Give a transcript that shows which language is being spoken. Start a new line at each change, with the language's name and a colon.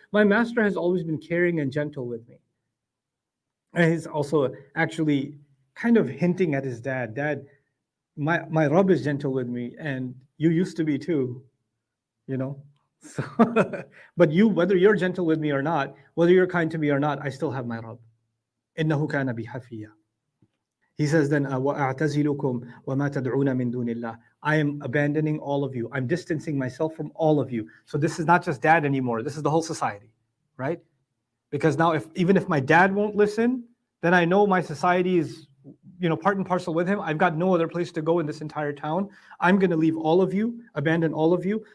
English: My master has always been caring and gentle with me. And he's also actually kind of hinting at his dad. Dad, my Rabb is gentle with me and you used to be too, you know. So, but you, whether you're gentle with me or not, whether you're kind to me or not, I still have my Rabb.
Arabic: إِنَّهُ كَانَ بِحَفِيَّ.
English: He says then,
Arabic: وَأَعْتَزِلُكُمْ وَمَا تَدْعُونَ مِن دُونِ اللَّهِ.
English: I am abandoning all of you. I'm distancing myself from all of you. So this is not just dad anymore. This is the whole society, right? Because now even if my dad won't listen, then I know my society is, you know, part and parcel with him. I've got no other place to go in this entire town. I'm going to leave all of you, abandon all of you.